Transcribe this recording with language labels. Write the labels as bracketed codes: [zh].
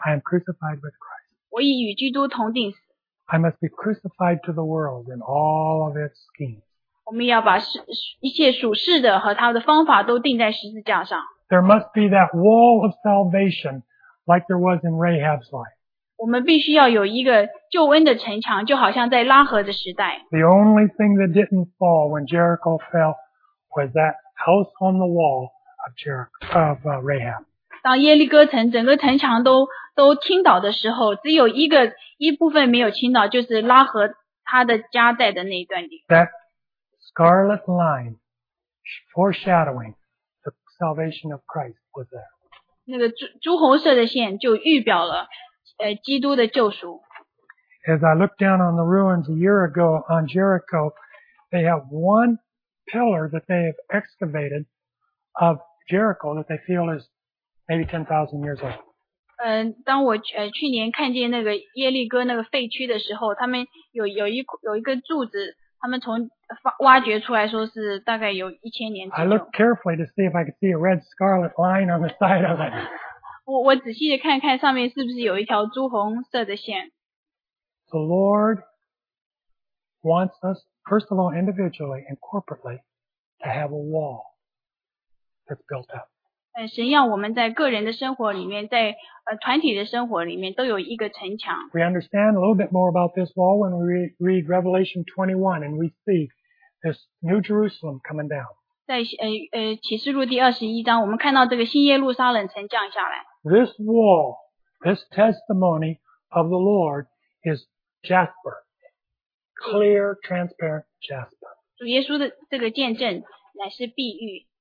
[en] I am crucified with Christ. [zh] 我已与基督同钉死。 [en] I must be crucified to the world and all of its schemes. [zh] 我们要把一切属世的和他的方法都钉在十字架上。 [en] There must be that wall of salvation like there was in Rahab's life. [zh] 我们必须要有一个救恩的城墙，就好像在拉合的时代。 [en] The only thing that didn't fall when Jericho fell was that house on the wall of Rahab. [zh] 当耶利哥城整个城墙都倾倒的时候，只有一部分没有倾倒，就是拉合他的家在的那一段地。 [en] That scarlet line foreshadowing. Salvation of Christ was there. [zh] 那个朱红色的线就预表了基督的救赎。 [en] As I looked down on the ruins a year ago on Jericho, they have one pillar that they have excavated of Jericho that they feel is maybe 10,000 years old. [zh] 当我去年看见那个耶利哥那个废墟的时候，他们有一个柱子。他们从挖掘出来说是大概有1000年左右。 [en] I looked carefully to see if I could see a red scarlet line on the side of it. [zh] 我仔细的看看上面是不是有一条朱红色的线。 [en] The Lord wants us, first of all, individually and corporately, to have a wall that's built up. [zh] 神要我们在个人的生活里面，在团体的生活里面都有一个城墙。 [en] We understand a little bit more about this wall when we read Revelation 21 and we see this New Jerusalem coming down. [zh] 在启示录第二十一章，我们看到这个新耶路撒冷城降下来。 [en] This wall, this testimony of the Lord is jasper, clear, transparent jasper. [zh] 主耶稣的这个见证乃是碧玉。